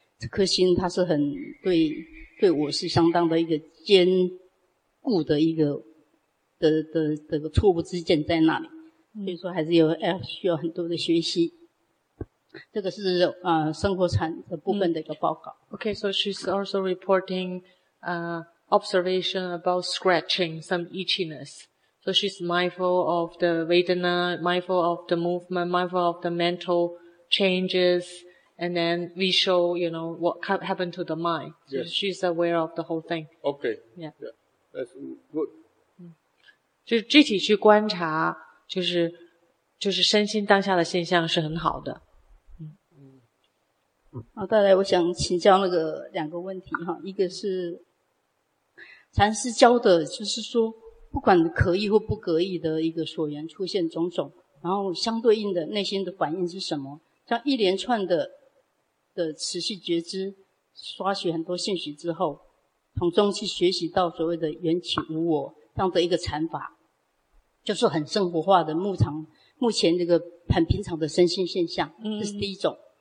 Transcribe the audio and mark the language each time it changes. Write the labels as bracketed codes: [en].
[zh] 这颗心它是很对我是相当的一个坚固的一个的错误之见在那里。所以说还是有需要很多的学习。这个是生活禅的部分的一个报告。 [en] Okay, so she's also reporting, observation about scratching, some itchiness. So she's mindful of the Vedana, mindful of the movement, mindful of the mental changes, and then visual, you know, what happened to the mind. So yes. She's aware of the whole thing. Okay. Yeah. That's good. [zh] 就具体去观察就是身心当下的现象是很好的。好，再来我想请教那个两个问题哈，一个是禅师教的就是说不管可意或不可意的一个所缘出现种种，然后相对应的内心的反应是什么，像一连串的持续觉知刷取很多信息之后，从中去学习到所谓的缘起无我这样的一个禅法，就是很生活化的目前这个很平常的身心现象，这是第一种。